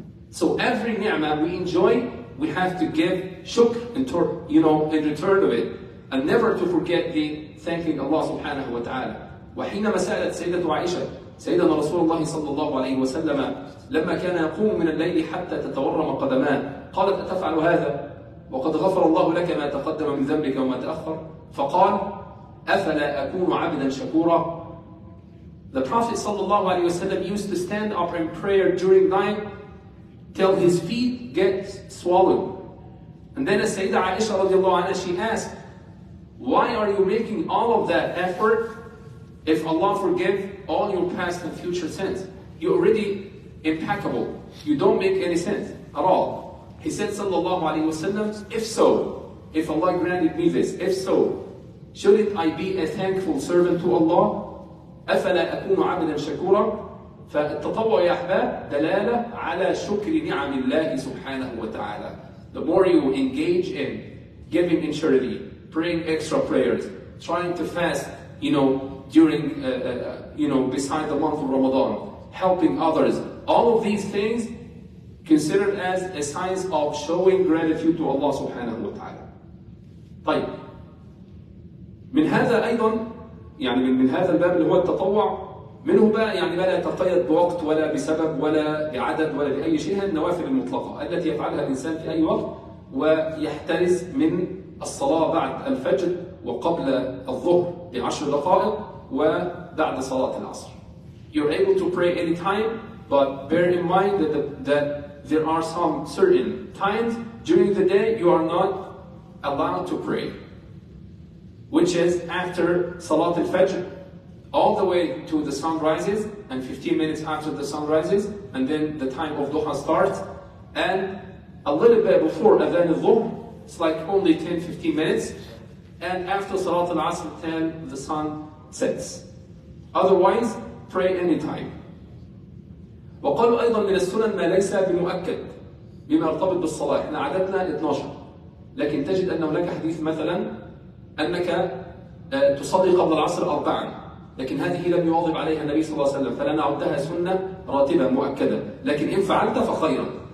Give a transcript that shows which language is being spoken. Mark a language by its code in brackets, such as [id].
[en] So every ni'mah we enjoy, we have to give shukr in return of it, and never to forget the thanking Allah subhanahu wa ta'ala. [ar] وحينما سألت سيدة عائشة سيدنا رسول الله صلى الله عليه وسلم لما كان يقوم من الليل حتى تتورم قدماه قالت أتفعل هذا وقد غفر الله لك ما تقدم من ذنبك وما تأخر؟ فقال أفلا أكون عبدا شكورا. [en] The Prophet sallallahu alaihi wasallam used to stand up in prayer during night till his feet get swollen. And then Sayyida Aisha radiallahu anha, she asked, why are you making all of that effort if Allah forgive all your past and future sins? You're already impeccable. You don't make any sense at all. He said sallallahu alaihi wasallam, if Allah granted me this, if so, shouldn't I be a thankful servant to Allah? [ar] أفلا أكون عبدا شكورا؟ فالتطوع يا أحباب دلالة على شكر نعم الله سبحانه وتعالى. [en] The more you engage in giving in charity, praying extra prayers, trying to fast, you know, during, you know, beside the month of Ramadan, helping others, all of these things considered as a signs of showing gratitude to Allah subhanahu wa ta'ala. [ar] طيب من هذا أيضا يعني من هذا الباب اللي هو التطوع منه بقى يعني لا يتقيد بوقت ولا بسبب ولا بعدد ولا بأي شيء النوافل المطلقة التي يفعلها الإنسان في أي وقت ويحترز من الصلاة بعد الفجر وقبل الظهر بعشر دقائق وبعد صلاة العصر. [en] You're able to pray anytime, but bear in mind that that there are some certain times during the day you are not allowed to pray, which is after Salat al-Fajr, all the way to the sun rises, and 15 minutes after the sun rises, and then the time of Duha starts, and a little bit before Adhan al-Dhuhr, it's like only 10-15 minutes, and after Salat al-Asr, then the sun sets. Otherwise, pray anytime. [ar] وقالوا أيضا من السنن ما ليس بمؤكد بما يرتبط بالصلاة. إحنا عددنا 12 لكن تجد أن هناك حديث مثلا أنك تصلي قبل العصر أربعا لكن هذه لم يواظب عليها النبي صلى الله عليه وسلم فلا نعدها سنة راتبة مؤكدة لكن إن فعلت فخيرا.